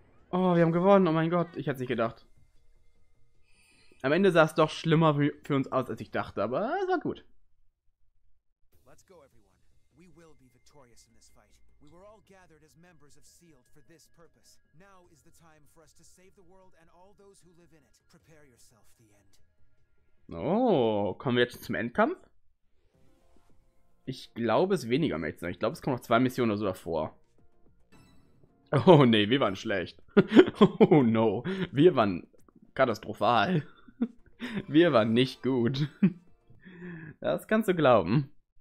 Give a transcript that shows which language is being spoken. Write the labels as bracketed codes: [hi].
[de] Oh, wir haben gewonnen. Oh mein Gott, ich hätte es nicht gedacht. Am Ende sah es doch schlimmer für uns aus, als ich dachte, aber es war gut. [en] Let's go, everyone. We will be victorious in this fight. We were all gathered as members of SEALED for this purpose. Now is the time for us to save the world and all those who live in it. Prepare yourself, the end. [de] Oh, kommen wir jetzt zum Endkampf? Ich glaube, es ist weniger Mädchen. Ich glaube, es kommen noch 2 Missionen oder so davor. Oh nee, wir waren schlecht. Oh no, wir waren katastrophal. Wir waren nicht gut. Das kannst du glauben.